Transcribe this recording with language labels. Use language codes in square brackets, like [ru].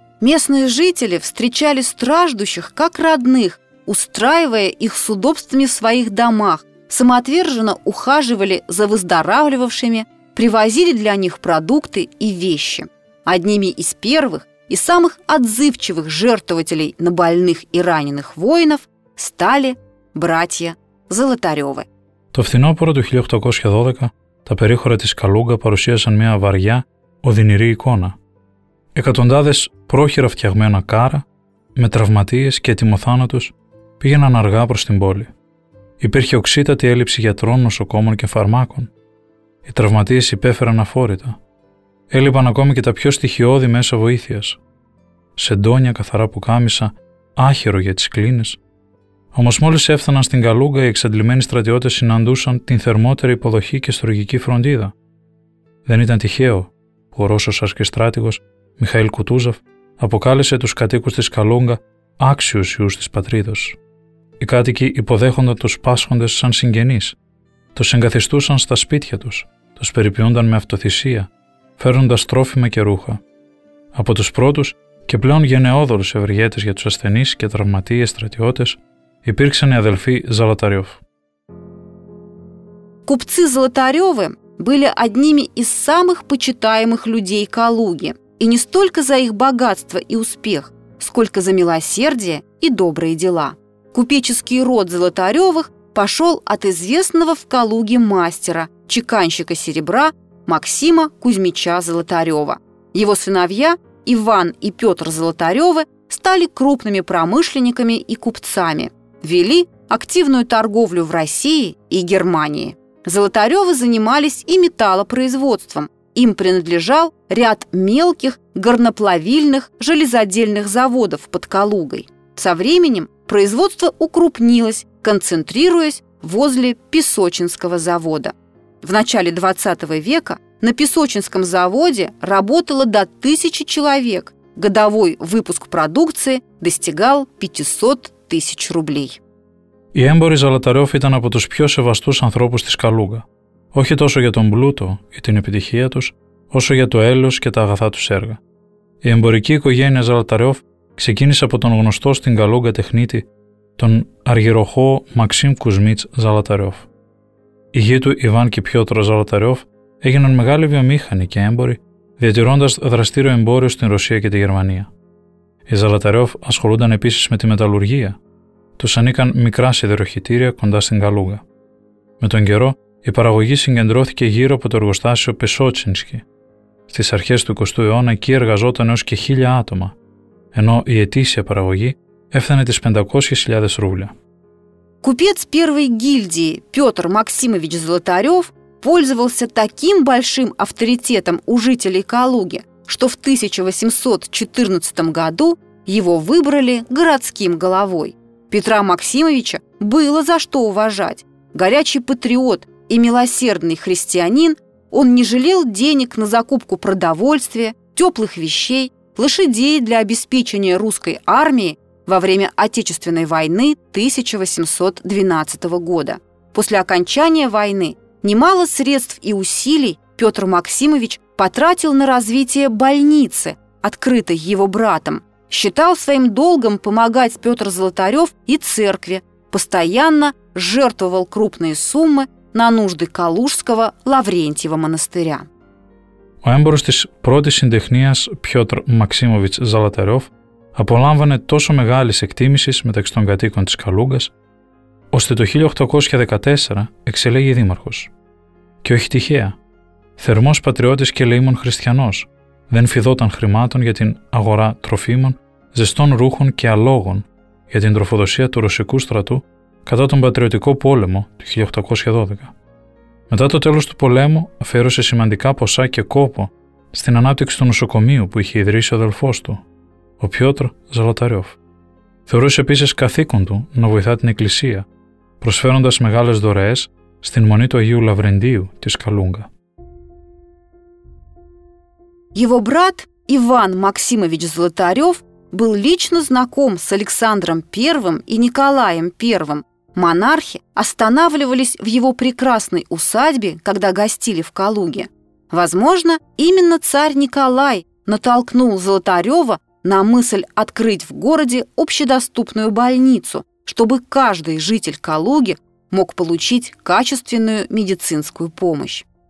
[ru] Местные жители встречали страждущих как родных, устраивая их с удобствами в своих домах, самоотверженно ухаживали за выздоравливавшими, привозили для них продукты и вещи. Одними из первых и самых отзывчивых жертвователей на больных и раненых воинов стали братья Золотарёвы. [el] Το φθινόπωρο του 1812 τα περίχωρα της Καλούγκα παρουσίασαν μια βαριά, οδυνηρή εικόνα. Εκατοντάδες πρόχειρα φτιαγμένα κάρα, με τραυματίες και ετοιμοθάνατους, πήγαιναν αργά προς την πόλη. Υπήρχε οξύτατη έλλειψη γιατρών, νοσοκόμων και φαρμάκων. Οι τραυματίες υπέφεραν αφόρητα. Έλειπαν ακόμη και τα πιο στοιχειώδη μέσα βοήθειας. Σεντόνια καθαρά πουκάμισα, άχερο για τις κλίνες. Όμως μόλις έφταναν στην Καλούγκα, οι εξαντλημένοι στρατιώτες συναντούσαν την θερμότερη υποδοχή και στρογγική φροντίδα. Δεν ήταν τυχαίο που ο Ρώσος αρχιστράτηγος Μιχαήλ Κουτούζοφ αποκάλεσε τους κατοίκους της Καλούγκα άξιους γιους της πατρίδος. Οι κάτοικοι υποδέχονταν τους πάσχοντες σαν συγγενείς. Τους εγκαθιστούσαν στα σπίτια τους, τους περιποιούνταν με αυτοθυσία, φέρνοντας τρόφιμα και ρούχα. Από τους πρώτους και πλέον γενναιόδωρους ευεργέτες για τους ασθενείς και τραυματίες στρατιώτες υπήρξαν οι αδελφοί Золотарёв. [ru] Купцы Золотарёвы были одними из самых почитаемых людей Калуги, и не столько за их богатство и успех, сколько за милосердие и добрые дела. Купеческий род Золотарёвых пошел от известного в Калуге мастера, чеканщика серебра Максима Кузьмича Золотарёва. Его сыновья Иван и Петр Золотарёвы стали крупными промышленниками и купцами, вели активную торговлю в России и Германии. Золотарёвы занимались и металлопроизводством. Им принадлежал ряд мелких горноплавильных железодельных заводов под Калугой. Со временем производство укрупнилось, концентрируясь возле Песочинского завода. В начале 20 века на Песочинском заводе работало до 1000 человек. Годовой выпуск продукции достигал 500 тысяч рублей. [el] Οι έμποροι Золотарёв ήταν από τους πιο σεβαστούς ανθρώπους της Καλούγκα. Όχι τόσο για τον πλούτο ή την επιτυχία τους, όσο για το έλεος και τα αγαθά τους έργα. Η εμπορική οικογένεια Золотарёв ξεκίνησε από τον γνωστό στην Καλούγκα τεχνίτη, τον αργυροχώο Μαξίμ Κουσμίτς Золотарёв. Οι γιοί του Ιβάν και Πιότρο Ζαλαταρεύ έγιναν μεγάλοι βιομήχανοι και έμποροι, διατηρώντας δραστήριο εμπόριο στην Ρωσία και τη Γερμανία. Οι Ζαλαταρεύ ασχολούνταν επίσης με τη μεταλλουργία. Τους ανήκαν μικρά σιδεροχυτήρια κοντά στην Καλούγα. Με τον καιρό, η παραγωγή συγκεντρώθηκε γύρω από το εργοστάσιο Πεσότσινσκι. Στις αρχές του 20ου αιώνα εκεί εργαζόταν έως και 1.000 άτομα, ενώ η ετήσια παραγωγή έφτανε τις 500.000 ρούβλια. [ru] Купец первой гильдии Петр Максимович Золотарев пользовался таким большим авторитетом у жителей Калуги, что в 1814 году его выбрали городским головой. Петра Максимовича было за что уважать. Горячий патриот и милосердный христианин, он не жалел денег на закупку продовольствия, теплых вещей, лошадей для обеспечения русской армии во время Отечественной войны 1812 года. После окончания войны немало средств и усилий Петр Максимович потратил на развитие больницы, открытой его братом. Считал своим долгом помогать Петр Золотарев и церкви, постоянно жертвовал крупные суммы на нужды Калужского Лаврентьева монастыря. [el] Ο έμπορος της πρώτης συντεχνίας Πιότρ Μαξίμοβιτς Ζαλαταρεύ απολάμβανε τόσο μεγάλης εκτίμησης μεταξύ των κατοίκων της Καλούγκας, ώστε το 1814 εξελέγει δήμαρχος. Και όχι τυχαία. Θερμός πατριώτης και λαίμων χριστιανός, δεν φιδόταν χρημάτων για την αγορά τροφίμων, ζεστών ρούχων και αλόγων για την τροφοδοσία του ρωσικού στρατού κατά τον Πατριωτικό Πόλεμο του 1812. Μετά το τέλος του πολέμου, αφιέρωσε σημαντικά ποσά και κόπο στην ανάπτυξη του νοσοκομείου που είχε ιδρύσει ο αδελφός του, ο Πιότρ Ζαλαταρεύ. Θεωρούσε επίσης καθήκον του να βοηθά την Εκκλησία, προσφέροντας μεγάλες δωρεές στην μονή του Αγίου Λαβρεντίου της Καλούγκα. [ru] Его брат Иван Максимович Золотарев был лично знаком с Александром I и Николаем I. Монархи останавливались в его прекрасной усадьбе, когда гостили в Калуге. Возможно, именно царь Николай натолкнул Золотарева на мысль открыть в городе общедоступную больницу, чтобы каждый житель Калуги мог получить качественную медицинскую помощь.